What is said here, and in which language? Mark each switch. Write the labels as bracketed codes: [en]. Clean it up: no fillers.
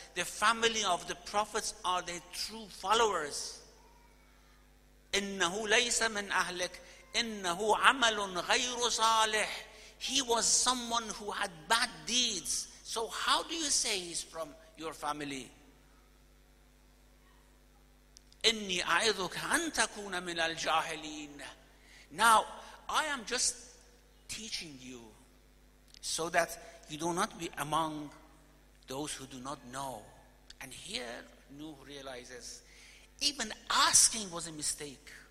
[en] The family of the prophets are their true followers. [ar] إِنَّهُ لَيْسَ مِنْ أَحْلِكْ. إِنَّهُ عَمَلٌ غَيْرُ صَالِحٍ. [en] He was someone who had bad deeds. So how do you say he's from your family? [ar] إني أعظك أن تكون من الجاهلين. [en] Now, I am just teaching you so that you do not be among those who do not know. And here, Nuh realizes, even asking was a mistake.